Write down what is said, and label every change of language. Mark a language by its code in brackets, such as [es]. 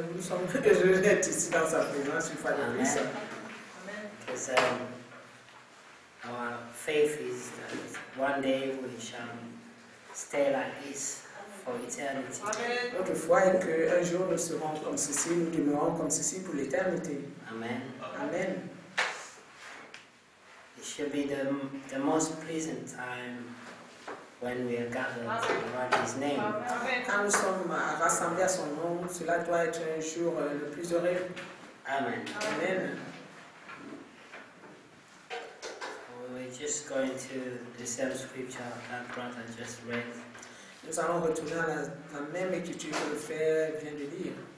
[fr] Nous sommes heureux d'être ici dans sa présence une fois de plus. [en] Because our faith is that one day we shall stay like this for eternity. Amen. [fr] Notre foi est que un jour nous serons comme ceci, nous demeurons comme ceci pour l'éternité. Amen. Amen. [en] It should be the most pleasant time when we are gathered around His name. Amen. [fr] Quand nous sommes rassemblés à son nom, cela doit être un jour le plus heureux. Amen. Amen. [en] Just going to the same scripture that brother just read. [fr] Nous allons retourner à la même écriture que le frère vient de lire.